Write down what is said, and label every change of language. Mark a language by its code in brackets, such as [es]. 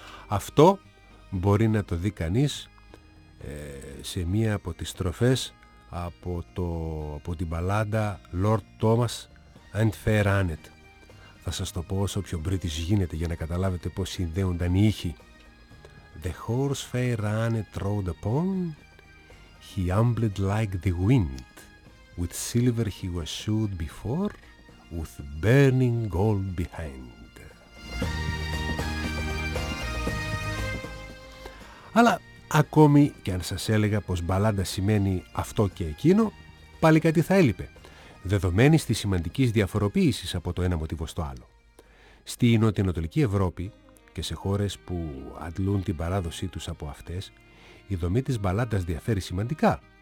[el] Αυτό μπορεί να το δει κανείς σε μία από τις στροφές από την μπαλάντα Lord Thomas and Fair Annet. Θα σας το πω όσο πιο British γίνεται, για να καταλάβετε πώς συνδέονταν οι ήχοι. [en] The horse Fair Annet rode upon, he ambled like the wind, with silver he was shod before, with burning gold behind. [el] Αλλά ακόμη και αν σας έλεγα πως μπαλάντα σημαίνει αυτό και εκείνο, πάλι κάτι θα έλειπε, δεδομένης της σημαντικής διαφοροποίησης από το ένα μοτίβο στο άλλο. Στη νοτιοανατολική Ευρώπη και σε χώρες που αντλούν την παράδοσή τους από αυτές, η δομή της μπαλάντας διαφέρει σημαντικά.